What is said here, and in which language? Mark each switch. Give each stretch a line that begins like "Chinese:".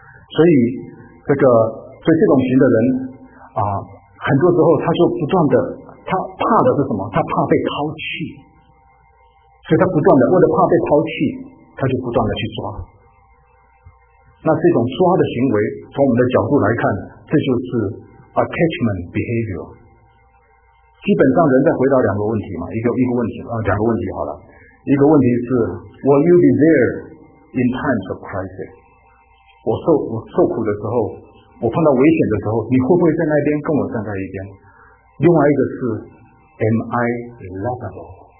Chinese: 所以这种型的人啊，很多时候他就不断的，他怕的是什么？他怕被抛弃，所以他不断的为了怕被抛弃，他就不断的去抓。那这种抓的行为，从我们的角度来看，这就是 attachment behavior。基本上人在回答两个问题嘛，两个问题好了。一个问题是
English: ，Will you be there in times of crisis？
Chinese: 我受苦的时候，我碰到危险的时候，你会不会在那边跟我站在一边？另外一个是
English: ，Am I lovable？